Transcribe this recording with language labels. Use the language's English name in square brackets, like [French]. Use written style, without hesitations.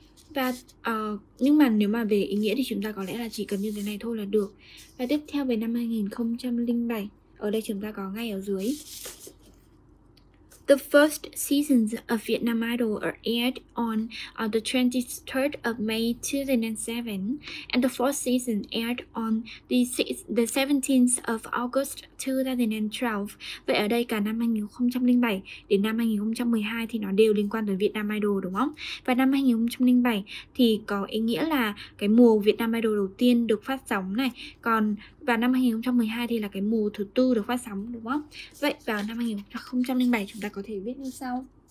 [Vietnamese] Và nhưng mà nếu mà về ý nghĩa thì chúng ta có lẽ là chỉ cần như thế này thôi là được. Và tiếp theo về năm 2007, ở đây chúng ta có ngay ở dưới: [English] the first seasons of Vietnam Idol are aired on the 23rd of May 2007, and the fourth season aired on the 17th of August 2012. [Vietnamese] Vậy ở đây cả năm 2007 đến năm 2012 thì nó đều liên quan tới Vietnam Idol đúng không? Và năm 2007 thì có ý nghĩa là cái mùa Vietnam Idol đầu tiên được phát sóng này, còn và năm 2012 thì là cái mùa thứ tư được phát sóng đúng không? Vậy vào năm 2007 chúng ta có thể viết như sau: